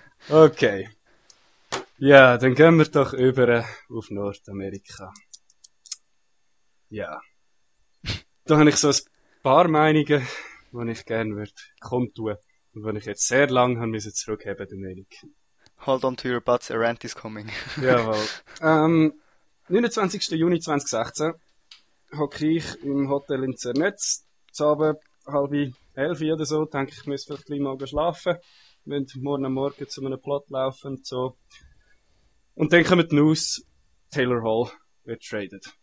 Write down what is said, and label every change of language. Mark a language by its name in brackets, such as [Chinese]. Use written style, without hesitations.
[German] Okay. Ja, dann gehen wir doch über auf Nordamerika. Ja. Da habe ich so ein paar Meinungen, die ich gerne würde kundtun. Und die ich jetzt sehr lange haben müssen zurückheben, die Meinung. [English] Hold on to your butts, a rant is coming. [German] Jawohl. 29. Juni 2016 hocke ich im Hotel in Zernetz. Jetzt Abend 10:30 oder so, denke ich, müsste vielleicht gleich mal schlafen. Wir müssen morgen Morgen zu einem Plot laufen und so. Und dann kommen die News, Taylor Hall wird traded.